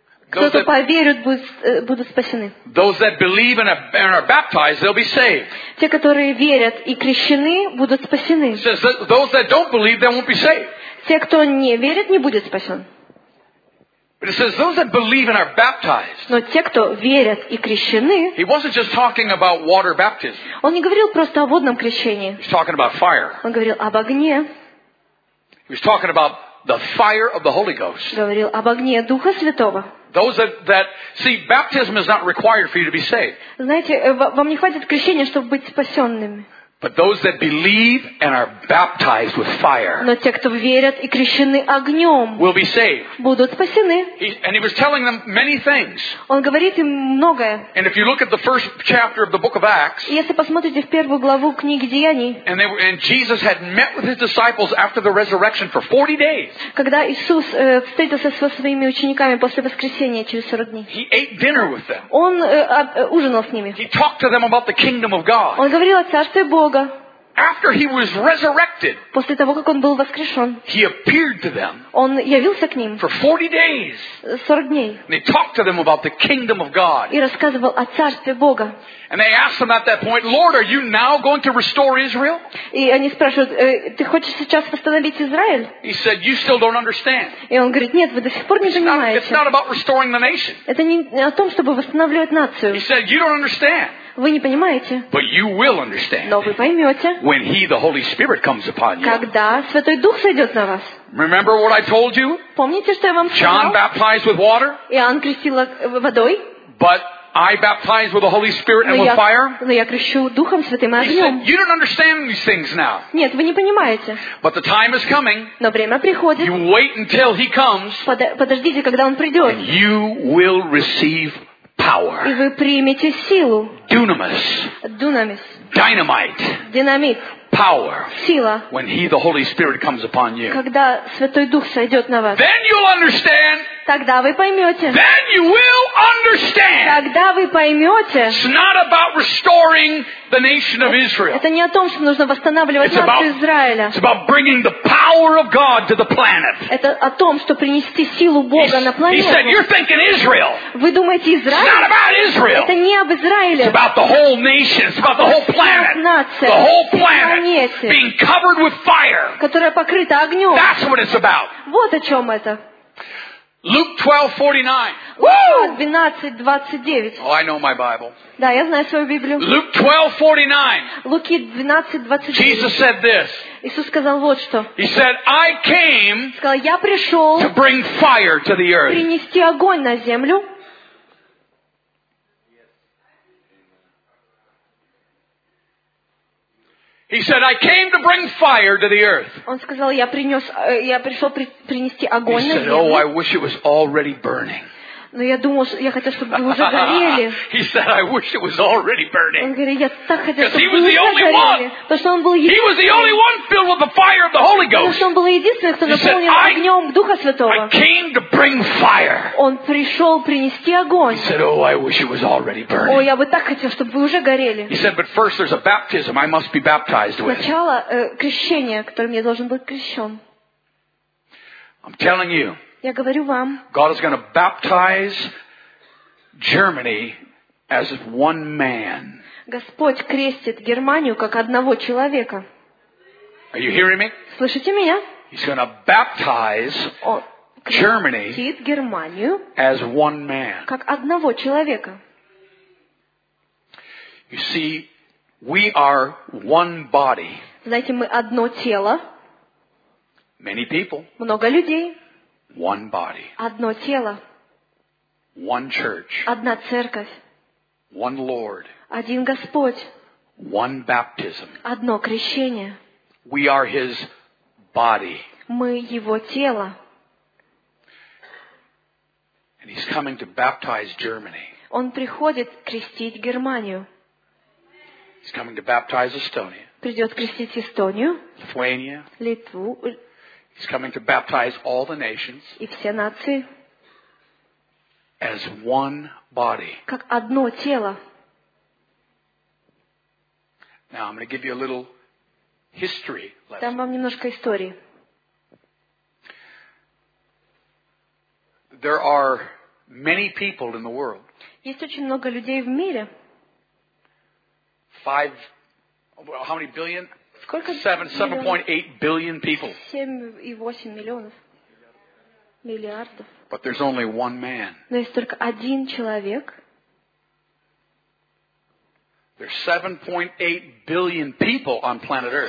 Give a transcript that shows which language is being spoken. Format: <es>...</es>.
<ru>Кто-то поверит, будут спасены.</ru> <en>Those that believe and are baptized, they'll be saved.</en> <ru>Те, которые верят и крещены, будут спасены.</ru> <en>Those that don't believe, they won't be saved.</en> <ru>Те, кто не верит, не будет спасен.</ru> <en>But it says those that believe and are baptized.</en> <ru>Но те, кто верят и крещены.</ru> <en>He wasn't just talking about water baptism.</en> <ru>Он не говорил просто о водном крещении.</ru> <en>He's talking about fire.</en> <ru>Он говорил об огне.</ru> <en>He was talking about the fire of the Holy Ghost.</en> <ru>Говорил об огне Духа Святого.</ru> <en>Those that see, baptism is not required for you to be saved.</en> <ru>Знаете, вам не хватит крещения, чтобы быть спасенными.</ru> <en>But those that believe and are baptized with fire.</en> <ru>Но те, кто верят и крещены огнем,</ru> <en>will be saved.</en> <ru>Будут спасены.</ru> <en>And he was telling them many things.</en> <ru>Он говорит им многое.</ru> <en>And if you look at the first chapter of the book of Acts.</en> <ru>Если посмотрите в первую главу книги Деяний.</ru> <en>And Jesus had met with his disciples after the resurrection for 40 days.</en> <ru>Когда Иисус встретился со своими учениками после воскресения через 40 дней.</ru> <en>He ate dinner with them.</en> <ru>Он ужинал с ними.</ru> <en>He talked to them about the kingdom of God.</en> <ru>Он говорил о царстве Бога.</ru> <en>After he was resurrected,</en> <ru>после того как он был воскрешен,</ru> <en>he appeared to them.</en> <ru>Он явился к ним</ru> <en>for 40 days.</en> <ru>40 дней.</ru> <en>And he talked to them about the kingdom of God.</en> <ru>И рассказывал о царстве Бога.</ru> <en>And they asked him at that point, Lord, are you now going to restore Israel?</en> <ru>И они спрашивают, ты хочешь сейчас восстановить Израиль?</ru> <en>He said, you still don't understand.</en> <ru>И он говорит, нет, вы до сих пор не понимаете.</ru> <en>It's not about restoring the nation.</en> <ru>Это не о том, чтобы восстанавливать нацию.</ru> <en>He said, you don't understand.</en> <ru>Вы не понимаете.</ru> <en>But you will understand.</en> <ru>Но вы поймете.</ru> <en>When he, the Holy Spirit, comes upon you.</en> <ru>Когда Святой Дух сойдет на вас.</ru> <en>Remember what I told you?</en> <ru>Помните, что я вам сказал?</ru> <en>John baptized with water.</en> <ru>Иоанн крестил водой.</ru> <en>But I baptize with the Holy Spirit and with fire.</en> <ru>Но я крещу Духом Святым и огнем.</ru> <en>He said, you don't understand these things now.</en> <ru>Нет, вы не понимаете.</ru> <en>But the time is coming.</en> <ru>Но время приходит.</ru> <en>You wait until he comes.</en> <ru>Подождите, когда он придет.</ru> <en>And you will receive power.</en> <ru>И вы примете силу.</ru> <en>Dunamis.</en> <ru>Dunamis.</ru> <en>Dynamite.</en> <ru>Динамит.</ru> <en>Power.</en> <ru>Сила.</ru> <en>When he, the Holy Spirit, comes upon you.</en> <ru>Когда Святой Дух сойдет на вас.</ru> <en>Then you'll understand.</en> <ru>Тогда вы поймете.</ru> <en>Then you will understand.</en> <ru>Тогда вы поймете.</ru> <en>It's not about restoring the nation of Israel.</en> <ru>Это не о том, что нужно восстанавливать нацию Израиля.</ru> <en>It's about bringing the power of God to the planet.</en> <ru>Это о том, что принести силу Бога на планету.</ru> <en>He said, you're thinking Israel.</en> <ru>Вы думаете Израиль?</ru> <en>It's not about Israel.</en> <ru>Это не об Израиле.</ru> <en>It's about the whole nation. It's about the whole planet.</en> <ru>Нация.</ru> <en>The whole planet. Being covered with fire.</en> <ru>Которая покрыта огнем.</ru> <en>That's what it's about.</en> <ru>Вот о чем это.</ru> <en>Luke 12:49. Oh, I know my Bible.</en> <ru>Да, я знаю свою Библию.</ru> <en>Luke 12:49.</en> <ru>Луки 12:29.</ru> <en>Jesus said this.</en> <ru>Иисус сказал вот что.</ru> <en>He said, I came.</en> <ru>Сказал, я пришел.</ru> <en>To bring fire to the earth.</en> <ru>Принести огонь на землю.</ru> <en>He said, I came to bring fire to the earth.</en> <ru>Он сказал, я пришел принести огонь на землю.</ru> <en>He said, oh, I wish it was already burning.</en> <ru>Но я думал, я хотел, чтобы вы уже горели.</ru> <en>He said, I wish it was already burning.</en> <ru>Он говорит, я так хотел, чтобы вы уже горели. Потому что он был единственный.</ru> <en>He was the only one filled with the fire of the Holy Ghost.</en> <ru>Потому что он был единственный, кто наполнен огнем Духа Святого.</ru> <en>I came to bring fire.</en> <ru>Он пришел принести огонь.</ru> <en>He said, oh, I wish it was already burning.</en> <ru>О, я бы так хотел, чтобы вы уже горели.</ru> <en>He said, but first there's a baptism I must be baptized with.</en> <ru>Сначала крещение, которым я должен быть крещен.</ru> <en>I'm telling you.</en> <ru>Я говорю вам.</ru> <en>God is going to baptize Germany as one man.</en> <ru>Господь крестит Германию как одного человека.</ru> <en>Are you hearing me?</en> <ru>Слышите меня?</ru> <en>He's going to baptize Germany as one man.</en> <ru>Как одного человека.</ru> <en>You see, we are one body.</en> <ru>Знаете, мы одно тело.</ru> <en>Many people.</en> <ru>Много людей.</ru> <en>One body.</en> <ru>Одно тело.</ru> <en>One church.</en> <ru>Одна церковь.</ru> <en>One Lord.</en> <ru>Один Господь.</ru> <en>One baptism.</en> <ru>Одно крещение.</ru> <en>We are his body.</en> <ru>Мы его тело.</ru> <en>And he's coming to baptize Germany.</en> <ru>Он приходит крестить Германию.</ru> <en>He's coming to baptize Estonia.</en> <ru>Придет крестить Эстонию.</ru> <en>Lithuania.</en> <ru>Литву.</ru> <en>He's coming to baptize all the nations.</en> <ru>И все нации.</ru> <en>As one body.</en> <ru>Как одно тело.</ru> <en>Now I'm going to give you a little history lesson.</en> <ru>Дам вам немножко истории.</ru> <en>There are many people in the world.</en> <ru>Есть очень много людей в мире.</ru> <en>How many billion?</en> <ru>Сколько?</ru> <en>7.8 billion people.</en> <ru>7.8 миллионов. Миллиардов.</ru> <en>But there's only one man.</en> <ru>Но есть только один человек.</ru> <en>There's 7.8 billion people on planet Earth.</en>